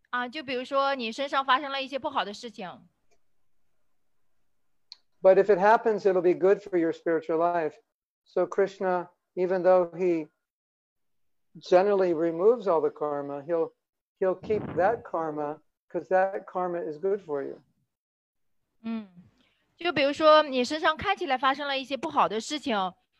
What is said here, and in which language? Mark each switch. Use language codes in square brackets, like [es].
[zh] 就比如说你身上发生了一些不好的事情。 [en] But if it happens, it'll be good for your spiritual life. So Krishna, even though he generally removes all the karma, he'll keep that karma because that karma is good for you. [zh] 就比如说你身上看起来发生了一些不好的事情。